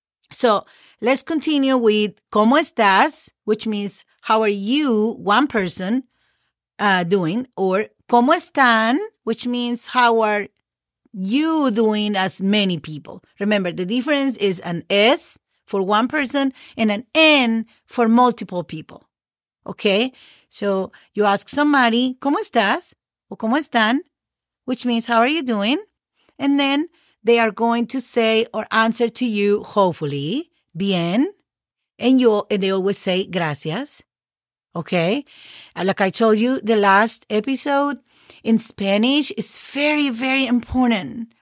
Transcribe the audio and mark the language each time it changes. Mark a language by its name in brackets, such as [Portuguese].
[English] So let's continue with [Spanish] ¿cómo estás?, [English] which means how are you, one person, doing, or [Spanish] ¿cómo están?, [English] which means how are you doing as many people. Remember, the difference is an S for one person and an N for multiple people. Okay, so you ask somebody [Spanish] ¿cómo estás?, o ¿cómo están?, [English] which means how are you doing? And then they are going to say or answer to you, hopefully, bien. And they always say, gracias. Okay? Like I told you the last episode, in Spanish, it's very, very important.